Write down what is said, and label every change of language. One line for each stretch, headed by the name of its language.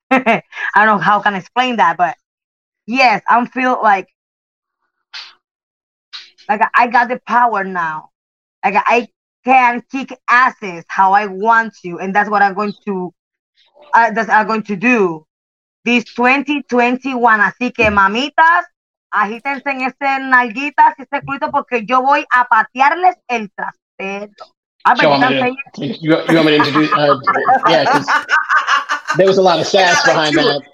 English: I don't know how I can explain that, but yes, I feel like I got the power now. Like I can kick asses how I want to, and that's what I'm going to do. This 2021,
Spanish: así que mamitas, agítense en ese nalguitas y ese culito porque yo voy a patearles el trasero.
English: You want me to introduce? Yeah, there was a lot of sass like behind that.